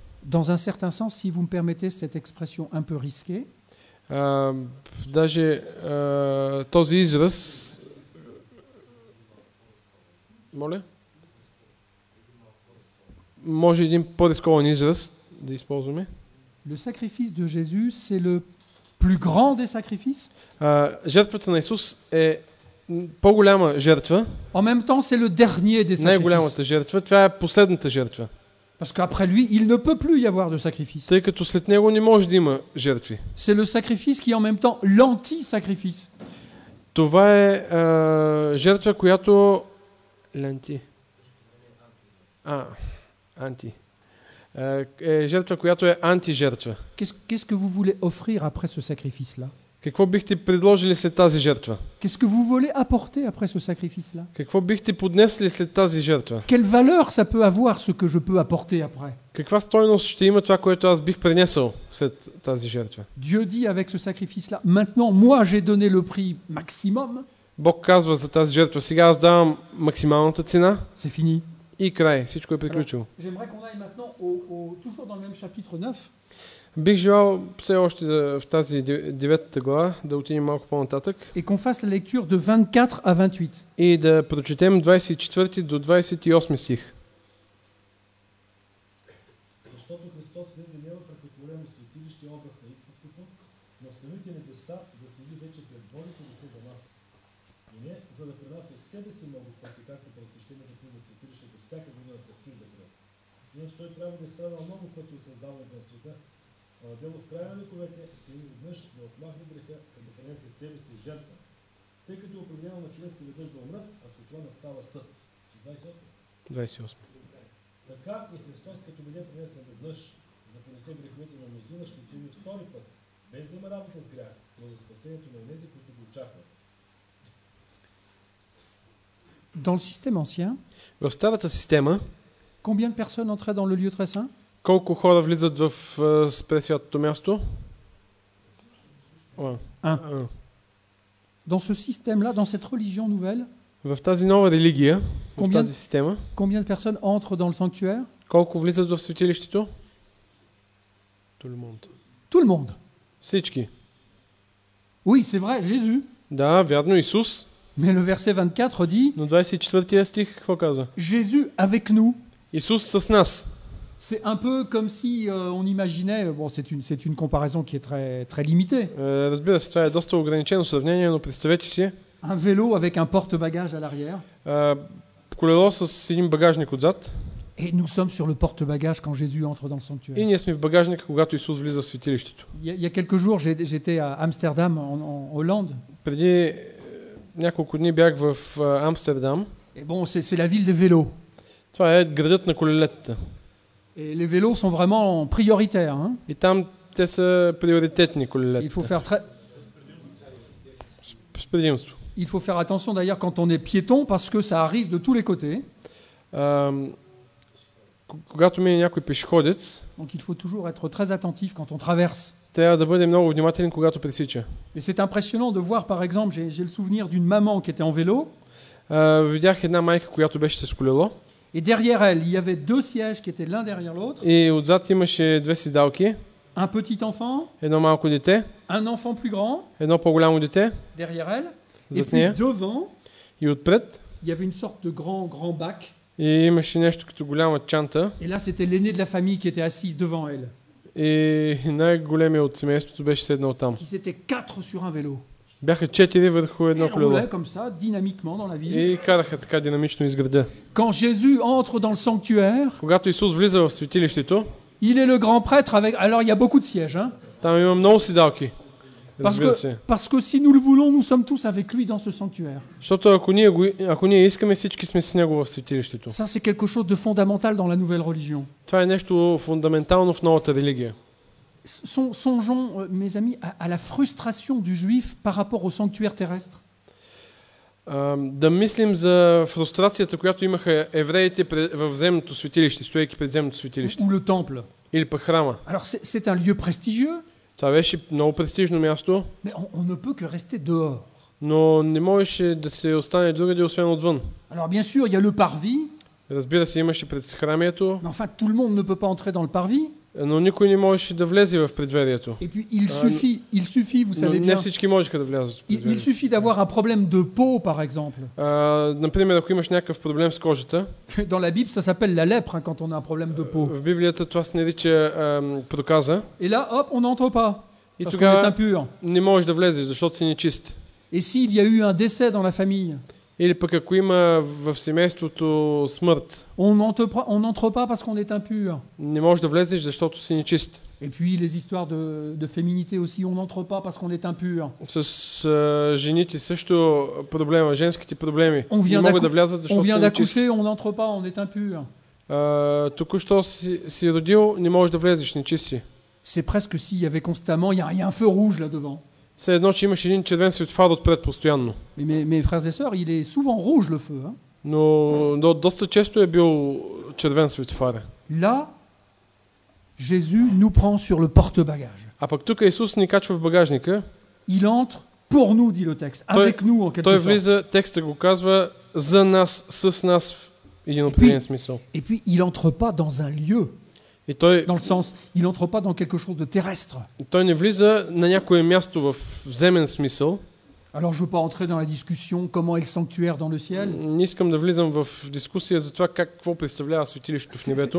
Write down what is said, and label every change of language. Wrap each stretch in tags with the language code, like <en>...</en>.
<fr>Dans un certain sens, si vous me permettez cette expression un peu risquée,</fr> <bg>даже този израз, моля, може един по-рискован израз да използваме.</bg> <fr>Le sacrifice de Jésus, c'est le plus grand des sacrifices.</fr> <bg>Жертвата на Исус е по-голяма жертва.</bg> <fr>En même temps, c'est le dernier des sacrifices.</fr> <bg>Най-голямата жертва, това е последната жертва.</bg> <fr>Parce qu'après lui, il ne peut plus y avoir de sacrifice.</fr> <bg>Тъй като след него не може да има жертви.</bg> <fr>C'est le sacrifice qui est en même temps l'anti-sacrifice.</fr> <bg>Това е жертва, която ленти. Анти. Е жертва, която е анти-жертва.</bg> <fr>Qu'est-ce que vous voulez offrir après ce sacrifice-là?</fr> <bg>Какво бихте предложили след тази жертва?</bg> <fr>Qu'est-ce que vous voulez apporter après ce sacrifice-là?</fr> <bg>Какво бихте поднесли след тази жертва?</bg> <fr>Quelle valeur ça peut avoir ce que je peux apporter après?</fr> <bg>Каква стойност ще има това, което аз бих принесъл след тази жертва?</bg> <fr>Dieu dit avec ce sacrifice-là, maintenant moi j'ai donné le prix maximum.</fr> <bg>Бог казва за тази жертва, сега аз давам максималната цена.</bg> <fr>C'est fini.</fr> <bg>И край, всичко е приключило.</bg> <fr>Alors, j'aimerais qu'on aille maintenant au toujours dans le même chapitre 9.</fr> <bg>Бих желал все още в тази деветата глава да отидем малко по-нататък.</bg> <fr>Et qu'on fasse la lecture de 24 à 28.</fr> <bg>И да прочетем 24 до 28 стих. Защото Христос влезе не в ръкотворено светилище и област на истинството, но в самите небеса да седи вече пред Божието лице за нас. И не, за да пренася себе си много пъти, както пресещението ти за светилището всяка година се чужда кръв. Иначе той трябва да страда много пъти от създаването на света, а на дело в края на вековете се и веднъж да отмахне греха, като принесе себе си жертва. Тъй като определено на човек веднъж да умрат, а след това настава съд. 28. Така и Христос, като бъде принесен веднъж, за да понесе греховете на мнозина, ще седи втори път, без да има работа с грях, но за спасението на онези, които го очакват.</bg> <fr>Dans le système ancien,</fr> <bg>в старата система,</bg> <fr>combien de personnes entraient dans le lieu très saint?</fr> <bg>Колко хора влизат в пресвятото място?</bg> <fr>Dans ce système-là, dans cette religion nouvelle,</fr> <bg>в тази нова религия,</bg> <fr>combien,</fr> <bg>в тази система,</bg> <fr>combien de personnes entrent dans le sanctuaire?</fr> <bg>Колко влизат в светилището?</bg> <fr>Tout le monde. Tout le monde.</fr> <bg>Всички.</bg> <fr>Oui, c'est vrai, Jésus.</fr> <bg>Да, вярно, Исус.</bg> <fr>Mais le verset 24 dit,</fr> <bg>но 24-тия стих какво казва?</bg> <fr>Jésus avec nous.</fr> <bg>Исус с нас.</bg> <fr>C'est un peu comme si on imaginait, bon, c'est une comparaison qui est très très limitée.</fr> <bg>Разбира се, това е доста ограничено сравнение, но представете си.</bg> <fr>Un vélo avec un porte-bagage à l'arrière.</fr> <bg>Колело с един багажник отзад.</bg> <fr>Et nous sommes sur le porte-bagage quand Jésus entre dans le sanctuaire.</fr> <bg>И ние сме в багажника, когато Исус влиза в светилището.</bg> <fr>Il y a quelques jours, j'étais à Amsterdam en Hollande.</fr> <bg>Преди няколко дни бях в Амстердам.</bg> <fr>Et bon, c'est la ville des vélos.</fr> <bg>Това е градът на колелетата.</bg> <fr>Et les vélos sont vraiment prioritaires. Hein? Et</fr> <bg>там те са приоритетни колелетата.</bg> <fr>Il faut faire très.</fr> <bg>Предимство.</bg> <fr>Il faut faire attention d'ailleurs quand on est piéton parce que ça arrive de tous les côtés.</fr> <bg>Когато мине някой пешеходец.</bg> <fr>Donc il faut toujours être très attentif quand on traverse.</fr> <bg>Трябва да бъдем много внимателен когато пресича.</bg> <fr>Et c'est impressionnant de voir par exemple, j'ai le souvenir d'une maman qui était en vélo.</fr> <bg>Видях една майка която беше с колело.</bg> <fr>Et derrière elle, il y avait deux sièges qui étaient l'un derrière l'autre. Et</fr> <bg>отзад имаше две седалки.</bg> <fr>Un petit enfant.</fr> <bg>Едно малко дете.</bg> <fr>Un enfant plus grand.</fr> <bg>Едно по-голямо дете.</bg> <fr>Derrière elle.</fr> <bg>Зад нея.</bg> <fr>Et puis devant.</fr> <bg>И отпред.</bg> <fr>Il y avait une sorte de grand bac.</fr> <bg>И имаше нещо като голяма чанта.</bg> <fr>Et là c'était l'aîné de la famille qui était assise devant elle.</fr> <bg>И най-големият от семейството беше седнал там.</bg> <fr>Ils étaient quatre sur un vélo.</fr> <bg>Бяха четири върху едно колело.</bg> <fr>Comme ça, dynamiquement dans la ville.</fr> <bg>И караха така динамично из града.</bg> <fr>Quand Jésus entre dans le sanctuaire,</fr> <bg>когато Исус влиза в светилището,</bg> <fr>il est le grand prêtre avec alors il y a beaucoup de sièges, hein.</fr> <bg>Там има много седалки.</bg> <fr>Parce que si nous le voulons, nous sommes tous avec lui dans ce sanctuaire.</fr> <bg>Защото ако ние искаме, всички сме с него в светилището.</bg> <fr>Ça c'est quelque chose de fondamental dans la nouvelle religion.</fr> <bg>Това е нещо фундаментално в новата религия.</bg> <fr>Songeons, mes amis, à la frustration du juif par rapport au sanctuaire terrestre.</fr> <bg>Да мислим за фрустрацията, която имаха евреите в земното светилище, стоейки пред земното светилище.</bg> <fr>Ou le temple.</fr> <bg>Или пък храма.</bg> <fr>Alors c'est un lieu prestigieux. Ça avait non prestigieux</fr> <bg>место.</bg> <fr>Mais on ne peut que rester dehors.</fr> <bg>Но не можеше да се остане другаде освен отвън.</bg> <fr>Alors bien sûr, il y a le parvis.</fr> <bg>Разбира се, имаше пред храмието.</bg> <fr>Mais enfin, tout le monde ne peut pas entrer dans le parvis.</fr> <bg>Но никой не можеше да влезе в предверието.</bg> <fr>Et puis il suffit, vous savez bien.</fr> <bg>Не всички можеха да влязат.</bg> <fr>Il suffit d'avoir un problème de peau par exemple.</fr> <bg>Например, ако имаш някакъв проблем с кожата.</bg> <fr>Dans la Bible, ça s'appelle la lèpre hein, quand on a un problème de peau.</fr> <bg>В Библията това се нарича проказа.</bg> <fr>Et là, hop, on n'entre pas. Et parce qu'on est impur.</fr> <bg>Не можеш да влезеш, защото си нечист.</bg> <fr>Et si il y a eu un décès dans la famille.</fr> <bg>Или пък ако има в семейството смърт.</bg> <fr>On n'entre pas parce qu'on est impur.</fr> <bg>Не можеш да влезеш, защото си нечист.</bg> <fr>Et puis les histoires de féminité aussi, on n'entre pas parce qu'on est impur.</fr> <bg>С жените също проблема, женските проблеми. Не могат да влязат, защото си нечист.</bg> <fr>On vient d'accoucher, on n'entre pas, on est impur.</fr> <bg>Току-що си родил, не можеш да влезеш, нечист си.</bg> <fr>C'est presque si il y avait constamment, il y a un feu rouge là-devant.</fr> <bg>Все едно, че имаш един червен светофар отпред постоянно.</bg> <fr>Mais frères et sœurs, il est souvent rouge le feu, hein?</fr> <bg>Но доста често е бил червен светофар.</bg> <fr>Là, Jésus nous prend sur le porte-bagage.</fr> <bg>А пък тук Исус ни качва в багажника.</bg> <fr>Il entre pour nous, dit le texte, avec nous, en quelque sorte.</fr> <bg>Той влиза, текстът го казва, за нас, с нас, в един определен смисъл.</bg> <fr>Et puis, il entre pas dans un lieu. Et toi, dans le sens, il entre pas dans quelque chose de terrestre.</fr> <bg>Той не влиза на някое място в земен смисъл.</bg> <fr>Alors je veux pas entrer dans la discussion comment est le sanctuaire dans le ciel.</fr> <bg>Не искам да влизам в дискусия за това какво представлява светилището в небето.</bg>